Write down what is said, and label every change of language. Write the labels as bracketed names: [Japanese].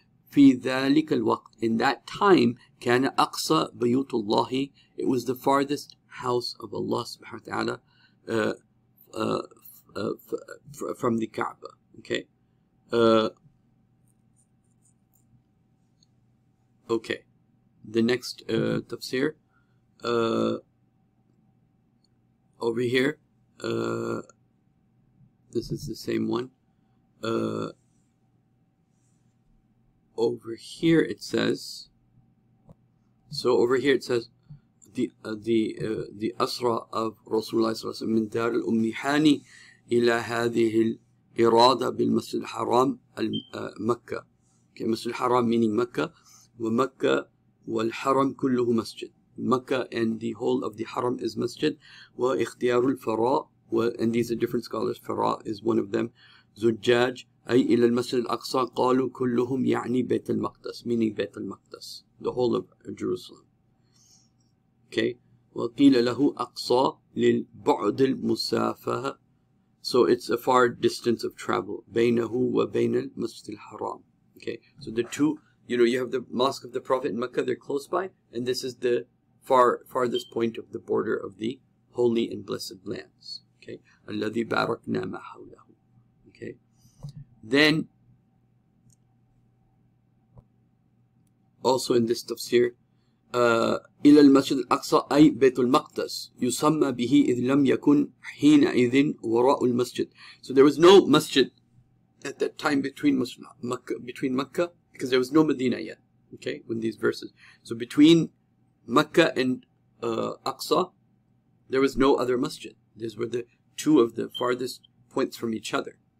[Arabic] Fi ذلك الوقت. [English] In that time, [Arabic] كان أقصى بيوت الله. [English] It was the farthest house of Allah subhanahu wa ta'ala from the Kaaba. Okay. Okay. The next tafsir over here. This is the same one. Over here it says. So over here it says. The asra of [Arabic] Rasulullah صلى الله عليه وسلم من دار الأم حاني إلى هذه الإرادة بالمسجد الحرام مكة. Okay, مسجد الحرام meaning مكة. ومكة والحرم كله مسجد. [English] مكة and the whole of the حرم is مسجد. [Arabic] واختيار الفراء [English] and these are different scholars. فراء is one of them. [Arabic] زجاج أي إلى المسجد الأقصى قالوا كلهم يعني بيت المقدس meaning بيت المقدس. [English] The whole of Jerusalem. [Arabic] Okay, وَقِيلَ لَهُ أَقْصَى لِلْبُعْدِ الْمُسَافَةَ. [English] So it's a far distance of travel. [Arabic] بَيْنَهُ وَبَيْنَ الْمَسْجِدِ الْحَرَامِ. [English] Okay, so the two, you know, you have the Mosque of the Prophet in Mecca, they're close by, and this is the farthest point of the border of the holy and blessed lands. [Arabic] Okay, الَّذِي بَارَكْنَا مَا حَوْلَهُ. Okay, [English] then, also in this tafsir, [Arabic] إلى المسجد الأقصى أي بيت المقدس يسمى به إذ لم يكن حينئذ وراء المسجد. [English] So there was no masjid at that time between Mecca, because there was no Medina yet. Okay, when these verses. So between Mecca and Aqsa, there was no other masjid. These were the two of the farthest points from each other.